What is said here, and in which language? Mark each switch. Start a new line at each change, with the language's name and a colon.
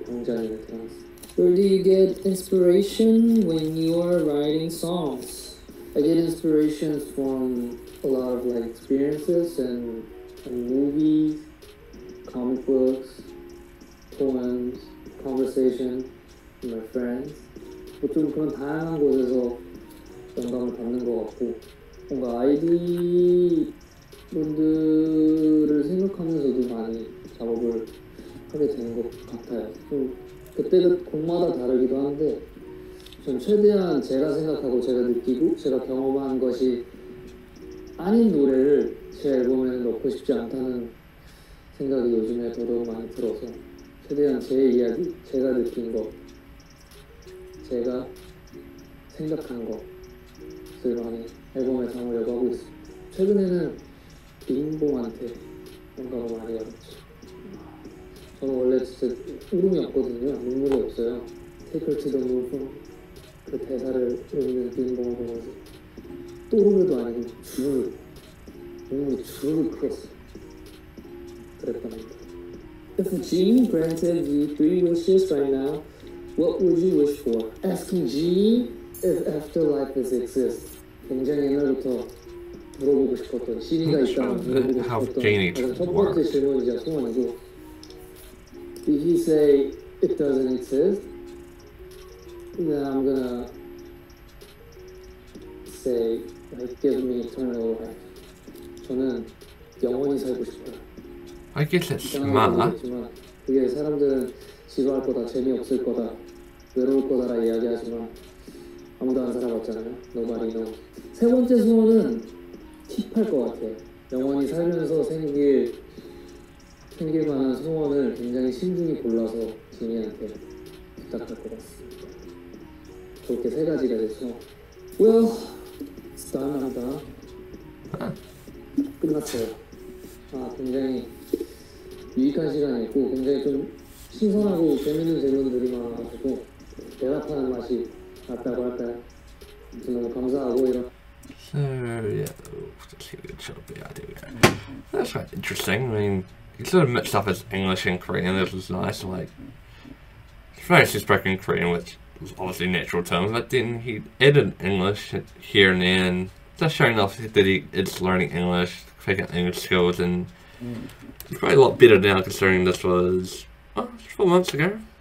English: Where do you get inspiration when you are writing songs? I get inspiration from a lot of like experiences and movies, comic books, poems, conversation with my friends.
Korean: 보통 그런 다양한 곳에서 영감을 받는 것 같고 뭔가 아이디 분들을 생각하면서도 많이 작업을 하게 되는 것 같아요. 그때는 곡마다 다르기도 한데 좀 최대한 제가 생각하고 제가 느끼고 제가 경험한 것이 아닌 노래를 제 앨범에 넣고 싶지 않다는 생각이 요즘에 더더욱 많이 들어서 최대한 제 이야기, 제가 느낀 것, 제가 생각한 것을 많이 앨범에 담으려고 하고 있습니다. 최근에는 비인봉한테 영감을 많이 받았죠. 저는 원래 진짜 울음이 없거든요. 눈물이 없어요. Take her to the moon from 그 대사를 읽는 비인봉을 보면서 또르르도 아니고 주르르 눈물이 주르르 크었어요. 그랬던 겁니다.
English: If a genie granted you three wishes right now, what would you wish for? Asking genie if afterlife is exist.
Korean: 굉장히 옛날부터 물어보고 싶었던 시리가 있다면 물어보고 싶었던 첫 번째 질문이자 소원이고
English: If he say it doesn't exist, then I'm gonna say, like, give me eternal life.
Korean: 저는 영원히 살고 싶어요.
English: I guess that's smart.
Korean: 그게 사람들은 지루할 거다, 재미없을 거다, 외로울 거다라 이야기하지만 아무도 안 살아봤잖아요.
English: Nobody knows.
Korean: 세 번째 소원은 힙할 것 같아요. 영원히 살면서 생길 만한 소원을 굉장히 신중히 골라서 지니한테 부탁할 것 같습니다. 그렇게 세 가지가 돼서
English: Well, it's done, I'm done.
Korean: 끝났어요. 아, 굉장히 유익한 시간이었고 굉장히 좀 신선하고 재밌는 질문들이 많아가지고 대답하는 맛이 났다고 할까요? 아무튼 너무 감사하고 이런
English: So, yeah, oh, let's see what it'll be. Yeah, there we go. That's quite interesting. I mean, it sort of mixed up as English and Korean, which was nice. Like, first he spoke in Korean, which was obviously natural to him, but then he added English here and there, and just showing off that he is learning English, picking up English skills, and he's probably a lot better now considering this was, well, 4 months ago.